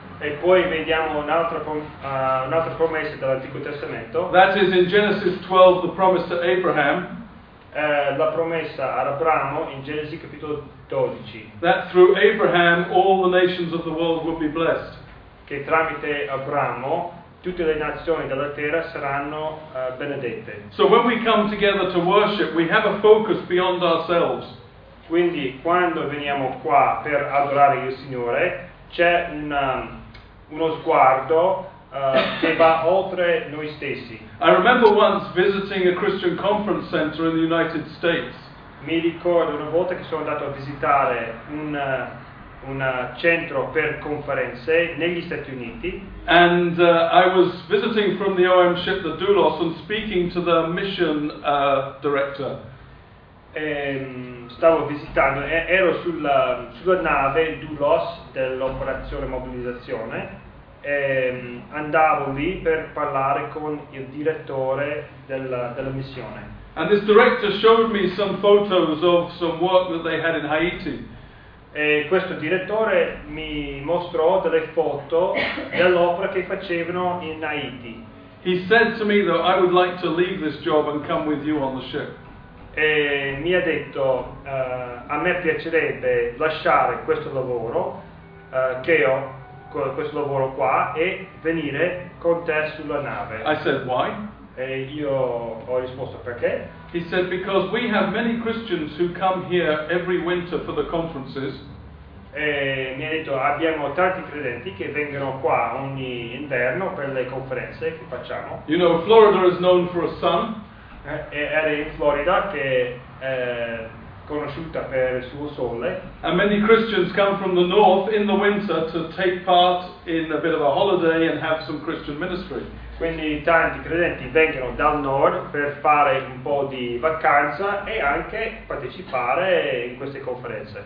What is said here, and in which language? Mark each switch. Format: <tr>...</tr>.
<it>E poi vediamo un'altra promessa dell'Antico Testamento.</it> <en>That is in Genesis 12, the promise to Abraham.</en> <it>La promessa ad Abramo in Genesi capitolo 12.</it> <en>That through Abraham all the nations of the world would be blessed.</en> <it>Che tramite Abramo tutte le nazioni della terra saranno benedette.</it> <en>So when we come together to worship, we have a focus beyond ourselves.</en> <it>Quindi quando veniamo qua per adorare il Signore, c'è uno sguardo che va oltre noi stessi.</it> <en>I remember once visiting a Christian conference center in the United States.</en> <it>Mi ricordo una volta che sono andato a visitare un centro per conferenze negli Stati Uniti.</it> <en>And I was visiting from the OM ship, the Doulos, and speaking to the mission director.</en> <it>Stavo visitando, ero sulla nave Doulos dell'operazione mobilizzazione e andavo lì per parlare con il direttore della missione.</it> <en>And this director showed me some photos of some work that they had in Haiti.</en> <it>E questo direttore mi mostrò delle foto dell'opera che facevano in Haiti.</it> <en>He said to me though, I would like to leave this job and come with you on the ship.</en> <it>E mi ha detto, a me piacerebbe lasciare questo lavoro che ho, questo lavoro qua, e venire con te sulla nave.</it> <en>I said, why?</en> <it>E io ho risposto, perché?</it> <en>He said, because we have many Christians who come here every winter for the conferences.</en> <it>E mi ha detto, abbiamo tanti credenti che vengono qua ogni inverno per le conferenze che facciamo.</it> <en>You know, Florida is known for a sun.</en> <it>Era in Florida che è conosciuta per il suo sole.</it> <en>And many Christians come from the north in the winter to take part in a bit of a holiday and have some Christian ministry.</en> <it>Quindi tanti credenti vengono dal nord per fare un po' di vacanza e anche partecipare in queste conferenze.</it>